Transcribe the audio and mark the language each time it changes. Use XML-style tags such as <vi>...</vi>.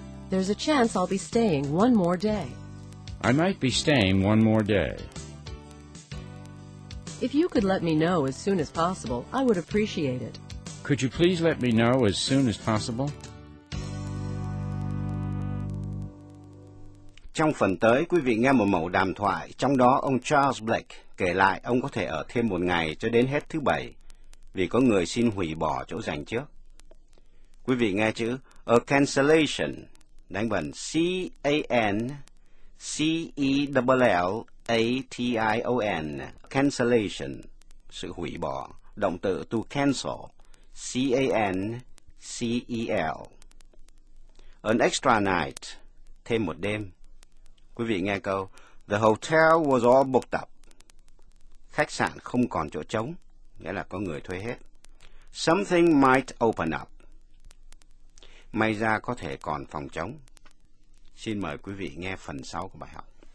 <en>There's a chance I'll be staying one more day. I might be staying one more day. If you could let me know as soon as possible, I would appreciate it. Could you please let me know as soon as possible?</en> <vi>Trong phần tới, quý vị nghe một mẩu đàm thoại, trong đó ông Charles Blake kể lại ông có thể ở thêm một ngày cho đến hết thứ bảy, vì có người xin hủy bỏ chỗ dành trước. Quý vị nghe chữ a cancellation, đánh vần C-A-N-C-E-L-L-A-T-I-O-N, cancellation, sự hủy bỏ, động từ to cancel, C-A-N-C-E-L.</vi> <en>An extra night,</en> <vi>thêm một đêm. Quý vị nghe câu,</vi> <en>the hotel was all booked up.</en> <vi>Khách sạn không còn chỗ trống, nghĩa là có người thuê hết.</vi> <en>Something might open up.</en> <vi>May ra có thể còn phòng trống. Xin mời quý vị nghe phần sau của bài học.</vi>